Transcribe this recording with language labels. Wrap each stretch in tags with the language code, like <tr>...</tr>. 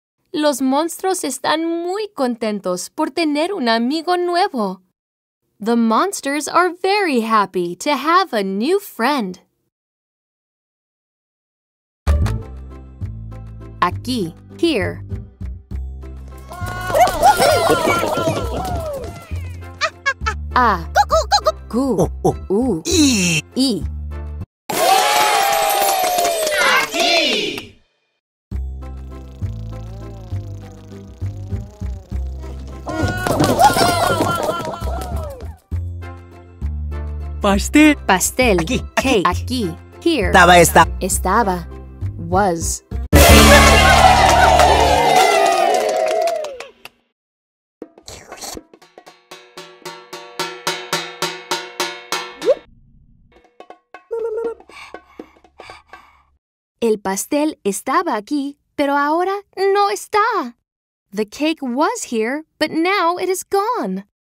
<es>Los monstruos están muy contentos por tener un amigo nuevo.</es> <en>The monsters are very happy to have a new friend.</en> <es>Aquí.</es> <en>Here. A. Gu. U. I.</en> <es>Pastel. Pastel. Aquí.</es> <en>Cake.</en> <es>Aquí. Aquí.</es> <en>Here.</en> <es>Estaba esta. Estaba.</es> <en>Was.</en> <es>El pastel estaba aquí, pero ahora no está.</es> <en>The cake was here, but now it is gone.</en>